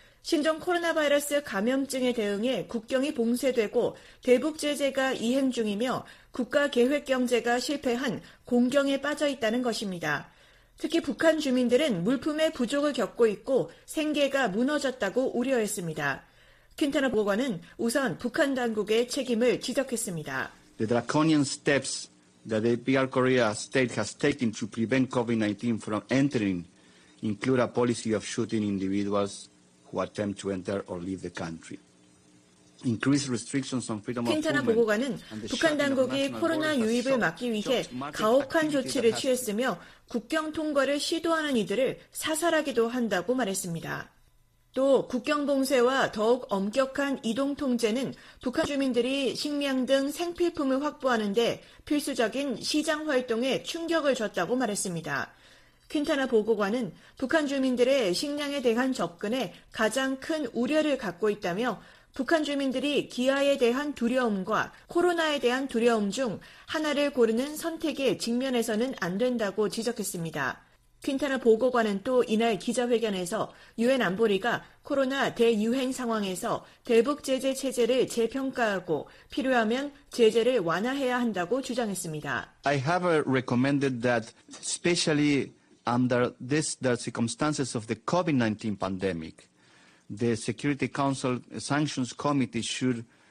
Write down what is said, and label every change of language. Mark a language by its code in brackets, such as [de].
[ko] 신종 코로나 바이러스 감염증에 대응해 국경이 봉쇄되고 대북 제재가 이행 중이며 국가 계획 경제가 실패한 공경에 빠져 있다는 것입니다. 특히 북한 주민들은 물품의 부족을 겪고 있고 생계가 무너졌다고 우려했습니다. 퀸타나 보고관은 우선 북한 당국의 책임을 지적했습니다. [en] The draconian steps that the PR Korea state has taken to prevent COVID-19 from entering include a policy of shooting individuals who attempt to enter or leave the country. Increased restrictions on freedom of movement. [ko] 퀸타나 보고관은 북한 당국이 코로나 유입을 막기 위해 가혹한 조치를 취했으며 국경 통과를 시도하는 이들을 사살하기도 한다고 말했습니다. 또 국경 봉쇄와 더욱 엄격한 이동 통제는 북한 주민들이 식량 등 생필품을 확보하는 데 필수적인 시장 활동에 충격을 줬다고 말했습니다. 퀸타나 보고관은 북한 주민들의 식량에 대한 접근에 가장 큰 우려를 갖고 있다며 북한 주민들이 기아에 대한 두려움과 코로나에 대한 두려움 중 하나를 고르는 선택에 직면해서는 안 된다고 지적했습니다. 퀸타나 보고관은 또 이날 기자회견에서 유엔 안보리가 코로나 대유행 상황에서 대북 제재 체제를 재평가하고 필요하면 제재를 완화해야 한다고 주장했습니다. [en] I have recommended that especially under these circumstances of the COVID-19 pandemic, the Security Council Sanctions Committee should